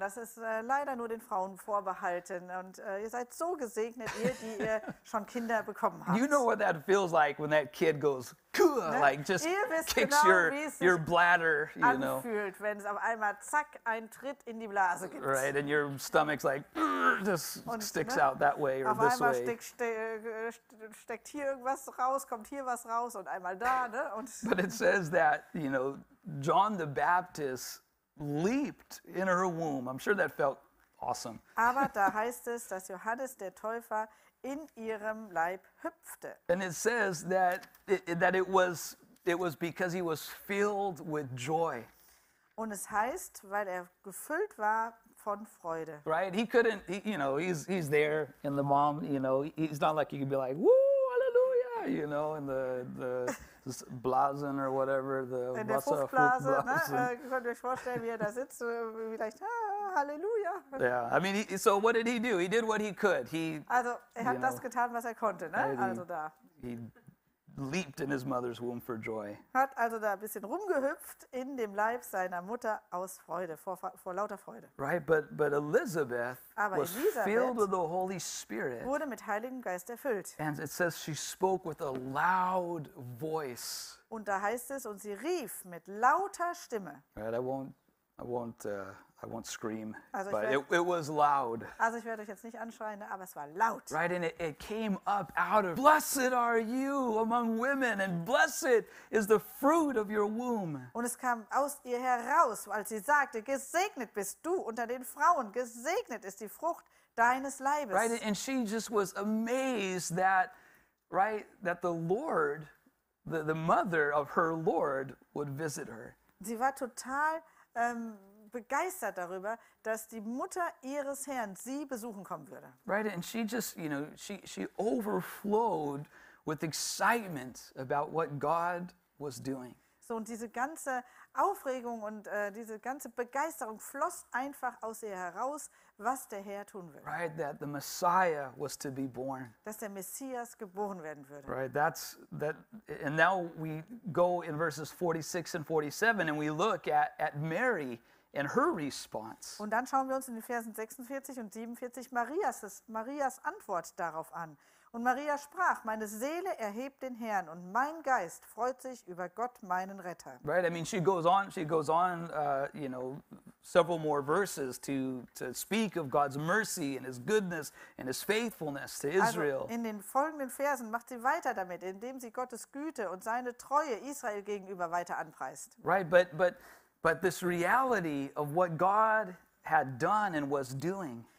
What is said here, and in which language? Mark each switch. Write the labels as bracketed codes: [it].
[de] Das ist leider nur den Frauen vorbehalten. Und ihr seid so gesegnet, ihr, die ihr schon Kinder bekommen habt. [en] You know what that feels like when that kid goes. Like just [de] ihr wisst [en] kicks [de] genau, [en] your, [de] wie es sich [en] your bladder, you know. [de] Anfühlt, wenn es auf einmal zack einen Tritt in die Blase gibt. [en] Right, and your stomach's like just und, sticks ne, out that way or this way. [de] Auf einmal steckt hier irgendwas raus, kommt hier was raus und einmal da, ne? Und [en] but it says that, you know, John the Baptist leaped in her womb. I'm sure that felt awesome. [de] Aber da heißt es, dass Johannes der Täufer in ihrem Leib hüpfte. [en] And it says that it was because he was filled with joy. [de] Und es heißt, weil er gefüllt war von Freude. [en] Right, he couldn't, he's there in the mom, you know, he's not like you could be like, woo, hallelujah, you know, in the Blasen or whatever, the [de] Wasserfruchtblasen. In der Fruchtblase, ne, könnt ihr euch vorstellen, wie er da sitzt, vielleicht, Halleluja. [en] Yeah, I mean, so what did he do? He did what he could. [de] Also, er hat das getan, was er konnte, ne, also da. [en] He leaped in his mother's womb for joy. [de] Hat also da ein bisschen rumgehüpft in dem Leib seiner Mutter aus Freude, vor lauter Freude. [en] Right, but Elizabeth was filled with the Holy Spirit. [de] Wurde mit Heiligem Geist erfüllt. [en] And it says she spoke with a loud voice. [de] Und da heißt es, und sie rief mit lauter Stimme. [en] Right, I won't I won't scream. [de] Also [en] but it was loud. [de] Also ich werde euch jetzt nicht anschreien, aber es war laut. [en] Right, and it came up out of, blessed are you among women, and blessed is the fruit of your womb. [de] Und es kam aus ihr heraus, als sie sagte, gesegnet bist du unter den Frauen, gesegnet ist die Frucht deines Leibes. [en] Right, and she just was amazed that, right, that the Lord, the mother of her Lord, would visit her. [de] Sie war total begeistert darüber, dass die Mutter ihres Herrn sie besuchen kommen würde. [en] Right, and she just, you know, she overflowed with excitement about what God was doing. [de] So, und diese ganze Aufregung und diese ganze Begeisterung floss einfach aus ihr heraus, was der Herr tun will. [en] Right, that the Messiah was to be born. [de] Dass der Messias geboren werden würde. [en] Right, that's that, and now we go in verses 46 and 47 and we look at Mary and her response. [de] Und dann schauen wir uns in den Versen 46 und 47 Marias Antwort darauf an. Und Maria sprach, meine Seele erhebt den Herrn und mein Geist freut sich über Gott, meinen Retter. [en] Right, I mean, she goes on, you know, several more verses to speak of God's mercy and his goodness and his faithfulness to Israel. [de] Also in den folgenden Versen macht sie weiter damit, indem sie Gottes Güte und seine Treue Israel gegenüber weiter anpreist. [en] Right, but this reality of what God had done and was doing.